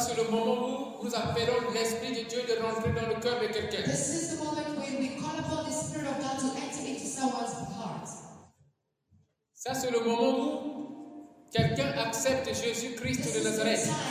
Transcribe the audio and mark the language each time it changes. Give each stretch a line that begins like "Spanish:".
French: Ça, c'est le moment où nous appelons l'Esprit de Dieu de rentrer dans le cœur de quelqu'un.
English: This is the moment when we call upon the Spirit of God to enter into someone's heart.
French: Ça, c'est le moment où quelqu'un accepte Jésus-Christ de Nazareth.